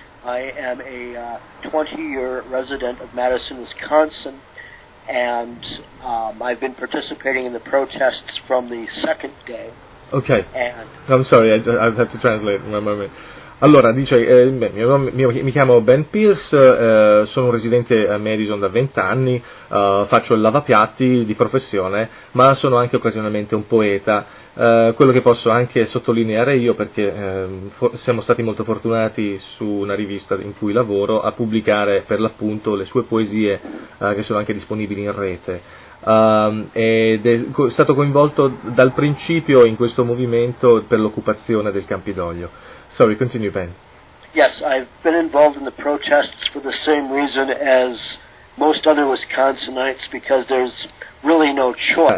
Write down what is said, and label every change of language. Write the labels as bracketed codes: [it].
[en] I am a 20-year resident of Madison, Wisconsin, and I've been participating in the protests from the second day. Okay. And I'm sorry, I have to translate in a moment. [it] Allora, dice, mi chiamo Ben Pierce, sono un residente a Madison da 20 anni, faccio il lavapiatti di professione, ma sono anche occasionalmente un poeta. Quello che posso anche sottolineare io, perché siamo stati molto fortunati su una rivista in cui lavoro, a pubblicare per l'appunto le sue poesie che sono anche disponibili in rete. Ed è stato coinvolto dal principio in questo movimento per l'occupazione del Campidoglio. [en] Sorry, continue, Ben. Yes, I've been involved in the protests for the same reason as most other Wisconsinites, because there's really no choice.